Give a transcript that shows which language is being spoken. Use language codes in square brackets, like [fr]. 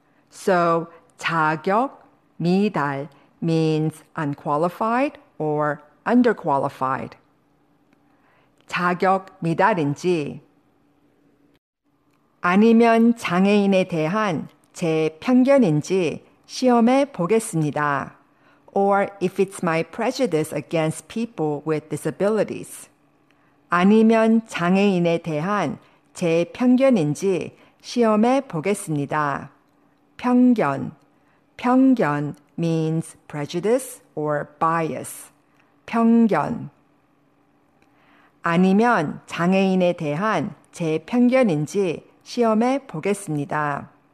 [en] So, 자격 미달 means unqualified or underqualified. [ko] 자격 미달인지. 아니면 장애인에 대한 제 편견인지 시험해 보겠습니다. [en] Or if it's my prejudice against people with disabilities. [ko] 아니면 장애인에 대한 제 편견인지 시험해 보겠습니다. [en] 편견. 편견 means prejudice or bias. 편견. [ko] 아니면 장애인에 대한 제 편견인지 시험해 보겠습니다.